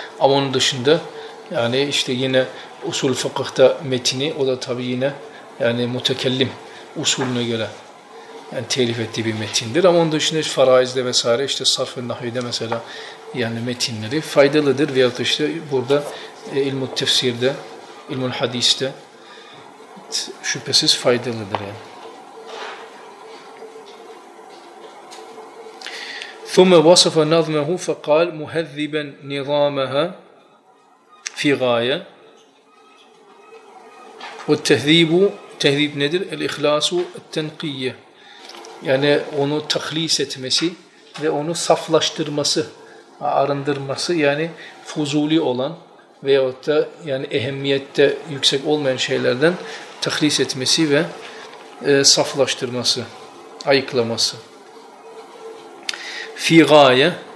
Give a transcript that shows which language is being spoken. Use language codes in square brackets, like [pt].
[tr] Ama onun dışında yani işte yine usul fıkıhta metini o da tabii yine yani mütekellim usulüne göre yani telif ettiği bir metindir. Ama onun dışında işte faraizde vesaire işte sarf-ı nahide mesela yani metinleri faydalıdır. Veyahut işte burada ilm-i tefsirde, ilm-i hadiste şüphesiz faydalıdır yani. [ar] ثُمَّ وَصَفَ نَظْمَهُ فَقَالْ مُهَذِّبًا نِظَامَهَا فِي غَايَ وَالتَّهْذِيبُ [tr] tehzib nedir? [ar] الْإِخْلَاسُ التَّنْقِيَّ [tr] yani onu tahlis etmesi ve onu saflaştırması arındırması yani fuzuli olan veyahut da yani ehemmiyette yüksek olmayan şeylerden tahlis etmesi ve saflaştırması, ayıklaması. Fi gaye,